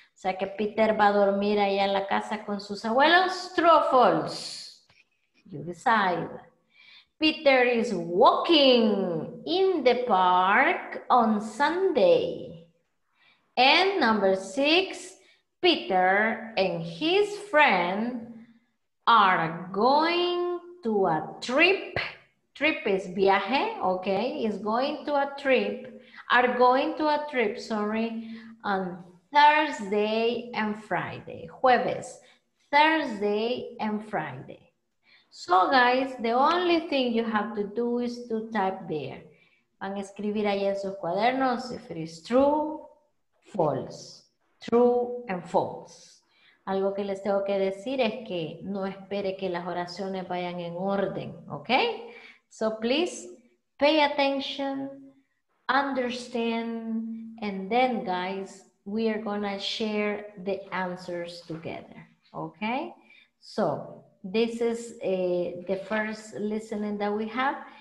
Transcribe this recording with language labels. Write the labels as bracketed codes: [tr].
[es] O sea que Peter va a dormir allá en la casa con sus abuelos. [en] True or false? You decide. Peter is walking in the park on Sunday. And number six, Peter and his friend are going to a trip. Trip is viaje, okay? Is going to a trip. Are going to a trip, sorry, on Thursday and Friday. Jueves, Thursday and Friday. So guys, the only thing you have to do is to type there. [es] Van a escribir ahí en sus cuadernos [en] if it is true false. True and false. [es] Algo que les tengo que decir es que no espere que las oraciones vayan en orden, okay? [en] So please pay attention, understand, and then guys, we are gonna share the answers together, okay? So this is the first listening that we have.